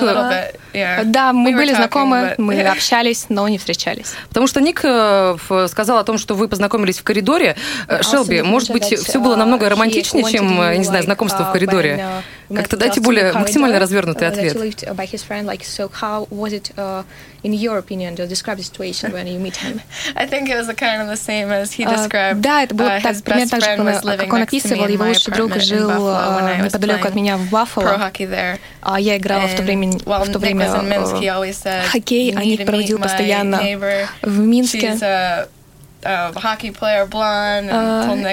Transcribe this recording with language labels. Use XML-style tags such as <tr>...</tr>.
<ru>Да, мы были знакомы, мы общались, но не встречались. Потому что Ник сказал о том, что вы познакомились в коридоре. Шелби, может быть, все было намного романтичнее, чем, я не знаю, знакомство в коридоре? Как-то дайте более максимально развернутый ответ.</ru> <en>In your opinion, just describe the situation when you meet him. I think it was kind of the same as he described.</en> <ru>Да, это было так, примерно так же, как он описывал. Его лучший друг жил неподалеку от меня в Баффало. А я играла в то время в хоккей, а Ник проводил постоянно в Минске.</ru> <en>Hockey player blonde,</en>